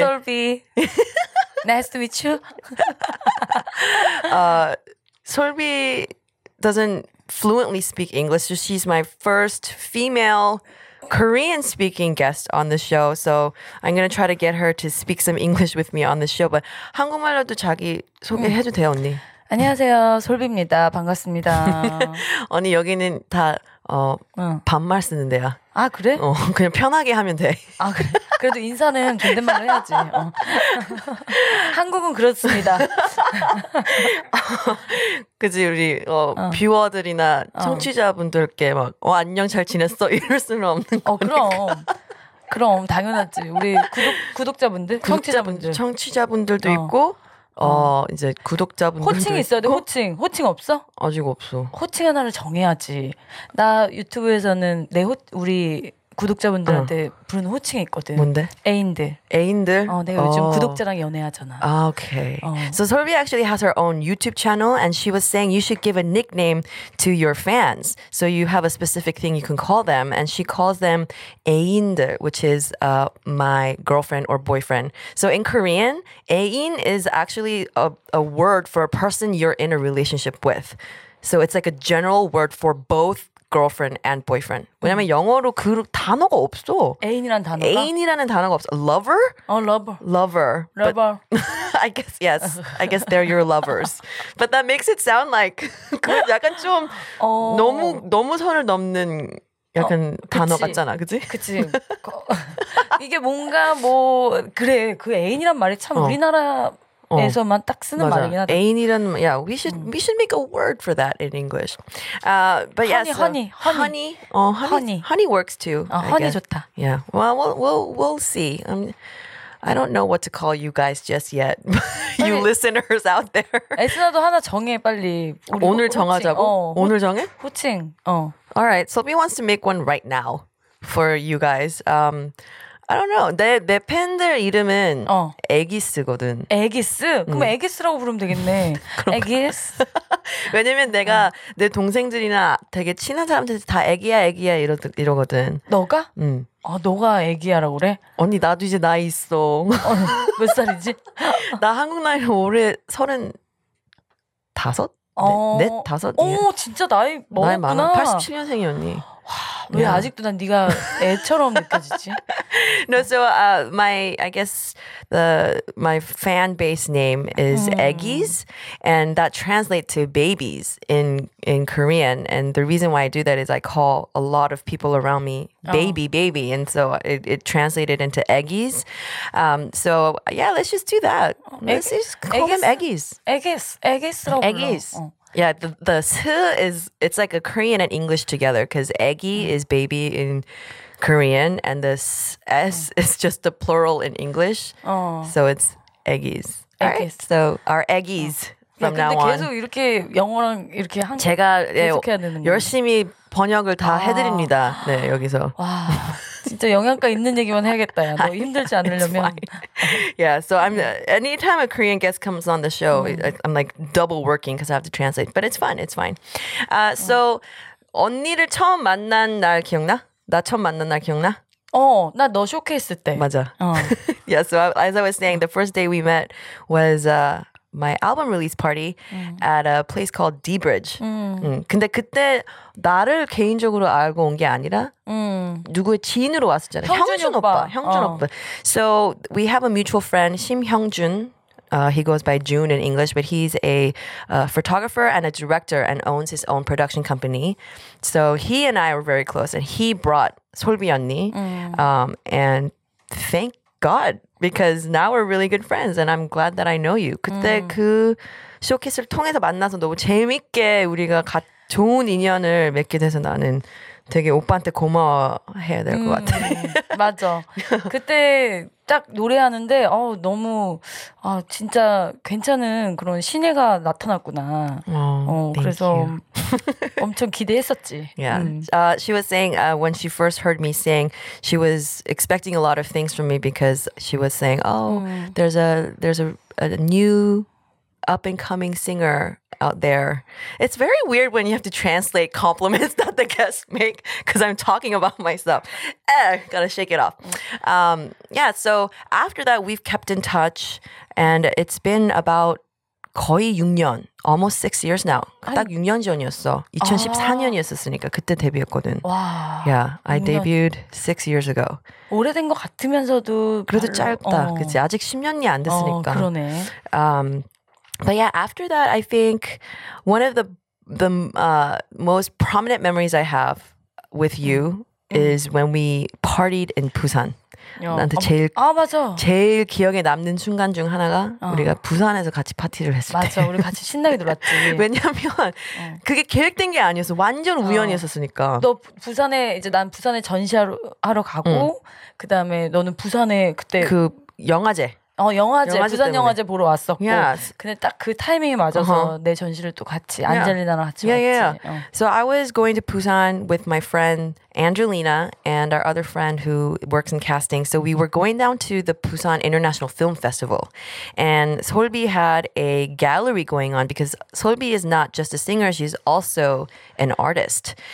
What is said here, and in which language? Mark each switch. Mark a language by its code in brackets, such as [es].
[en] I'm Solbi. Nice to meet you. Solbi doesn't fluently speak English, so she's my first female Korean-speaking guest on the show. So I'm going to try to get her to speak some English with me on the show. But [ko] 한국말로도 자기 소개해도 돼요, 언니? 안녕하세요, 솔비입니다. 반갑습니다. 언니, 여기는 다 반말 쓰는데요. 아, 그래? 그냥 편하게 하면 돼. 아, 그래? 그래도 인사는 존댓말로 해야지. 한국은 그렇습니다. 그지, 우리, 뷰어들이나 청취자분들께 막, 안녕, 잘 지냈어? 이럴 수는 없는 거. 그럼. 그럼, 당연하지. 우리 구독자분들? 청취자분들. 청취자분들도 있고, 이제 구독자분들. 호칭 있어야 돼, 호칭. 호칭 없어? 아직 없어. 호칭 하나를 정해야지. 나 유튜브에서는 우리 구독자분들한테 부르는 호칭이 있거든. 뭔데? 애인들. 애인들? 내가 요즘 구독자랑 연애하잖아. 아, okay. [en] So Solbi actually has her own YouTube channel and she was saying you should give a nickname to your fans. So you have a specific thing you can call them and she calls them 애인들, which is my girlfriend or boyfriend. So in Korean, 애인 is actually a word for a person you're in a relationship with. So it's like a general word for both girlfriend and boyfriend. [ko] 왜냐면 영어로 그 단어가 없어. 애인이란 단어가? 애인이라는 단어가 없어. [en] Lover? Lover. Lover. I guess, yes. I guess they're your lovers. But that makes it sound like [ko] 그건 약간 좀 너무 선을 넘는 약간 단어 같잖아. 그치? 그치. 이게 뭔가 뭐 그래. 그 애인이란 말이 참 우리나라 에서만 딱 쓰는 맞아. 말이긴 하다. 애인이란 [en] yeah, we should make a word for that in English. But yes, honey works too. Honey [ko] 좋다. [en] Yeah. Well, we'll see. I don't know what to call you guys just yet. You listeners out there. [ko] 에스나도 하나 정해 빨리. 오늘 정하자고. 오늘 정해? 호칭. [en] All right. So we wants to make one right now for you guys. I don't know. [ko] 내 팬들 이름은 에기스거든. 에기스? 그럼 에기스라고 부르면 되겠네. 에기스? 왜냐면 내가 내 동생들이나 되게 친한 사람들한테 다 애기야 이러거든. 너가? 너가 애기야라고 그래? 언니 나도 이제 나이 있어. 몇 살이지? 나 한국 나이로 올해 35? 넷? 다섯? 진짜 나이 많았구나. 나이 많아. 87년생이 언니. 왜 [en] yeah. [ko] 아직도 난 네가 애처럼 느껴지지? [en] No, so my fan base name is Eggies, and that translates to babies in Korean. And the reason why I do that is I call a lot of people around me baby, and so it translated into Eggies. So yeah, let's just do that. Let's just call them Eggies. Eggies. Yeah, the it's like a Korean and English together because eggy is baby in Korean and the s is just a plural in English. So it's eggies. All right, so our eggies from now on. [ko] 계속 이렇게 영어랑 이렇게 한 제가 계속해야 되는 거예요. 열심히 번역을 다 해드립니다. 네, 여기서. 와. 진짜 영양가 있는 얘기만 해야겠다. 야. 너 힘들지 않으려면. [en] Yeah, so anytime a Korean guest comes on the show, I'm like double working because I have to translate. But it's fine. So [ko] 언니를 처음 만난 날 기억나? 나 처음 만난 날 기억나? 나 너 쇼케이스 때. 맞아. [en] Yeah, so as I was saying, the first day we met was my album release party at a place called D-Bridge. [ko] 근데 그때 나를 개인적으로 알고 온 게 아니라 누구의 지인으로 왔었잖아요. 형준 오빠. [en] So we have a mutual friend, 심형준. He goes by June in English, but he's a photographer and a director and owns his own production company. So he and I were very close and he brought Solbi 언니. And thank God, because now we're really good friends and I'm glad that I know you. [ko] 그때 그 쇼케이스를 통해서 만나서 너무 재밌게 우리가 좋은 인연을 맺게 돼서 나는 되게 오빠한테 고마워해야 될 것 같아. 맞아. 그때 딱 노래하는데 너무 진짜 괜찮은 그런 신예가 나타났구나. 그래서 엄청 기대했었지. [en] Yeah. She was saying when she first heard me sing, she was expecting a lot of things from me because she was saying, there's a new up and coming singer out there. It's very weird when you have to translate compliments that the guests make because I'm talking about myself. Gotta shake it off. So after that, we've kept in touch and it's been about [ko] 거의 6년, [en] almost 6 years now. [ko] 딱 6년 전이었어. 2014년이었으니까 그때 데뷔했거든. 와. [en] Yeah, I debuted 6 years ago. [ko] 오래된 것 같으면서도 그래도 짧다. 그치? 아직 10년이 안 됐으니까. 그러네. [en] But yeah, after that, I think one of the most prominent memories I have with you is when we partied in Busan. [ko] 나한테 맞아. 제일 기억에 남는 순간 중 하나가 우리가 부산에서 같이 파티를 했을 때. 맞아, 우리 같이 신나게 놀았지. 왜냐면 그게 계획된 게 아니었어. 완전 우연이었었으니까. 너 부산에 이제 난 부산에 전시하러 가고 그다음에 너는 부산에 그때 그 영화제. 영화제 부산 영화제 보러 왔었고 [en] yes. [ko] 근데 딱 그 타이밍이 맞아서 내 전시를 또 같이 안젤리나랑 같이 갔지. [en] So I was going to Busan with my friend Angelina and our other friend who works in casting. So we were going down to the Busan International Film Festival. And Solbi had a gallery going on because Solbi is not just a singer, she's also an artist.